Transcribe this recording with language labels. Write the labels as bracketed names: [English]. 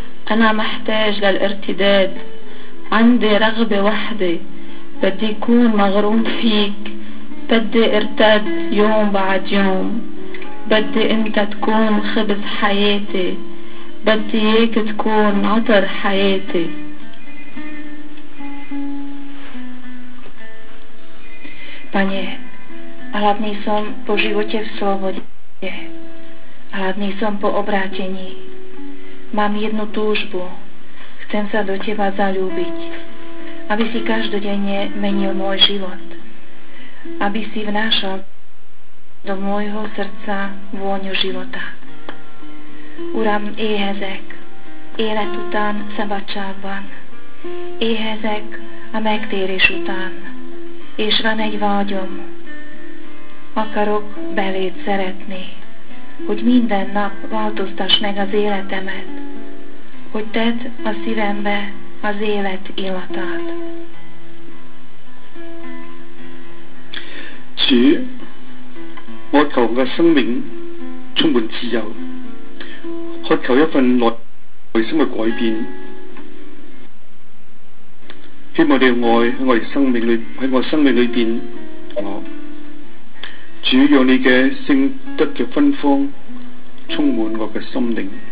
[Arabic] أنا محتاج للارتداد عندي رغبة وحدة بدي يكون مغروم فيك بدي ارتد يوم بعد يوم بدي انت تكون خبز حياتي بدي اياك تكون عطر حياتي [Slovak] Panie, hladný som po živote v slobode hladný som po obrátení. Mám jednu túžbu. Chcem sa do Teba zaľúbiť. Aby si každodenne menil môj život. Aby si vnášal do môjho srdca vôňu života. [Hungarian] Uram éhezek. Élet után szabadságban. Éhezek a megtérés után. És van egy vágyom. Akarok beléd szeretni. Hogy minden nap változtass meg az életemet. Hogy tedd a szívembe az élet illatát. [Chinese] Csú, 我求我的生命充满自由, 渴求一份内心的改变, 希望你的爱在我生命里面, 主让你的圣德的芬芳, 充满我的心灵。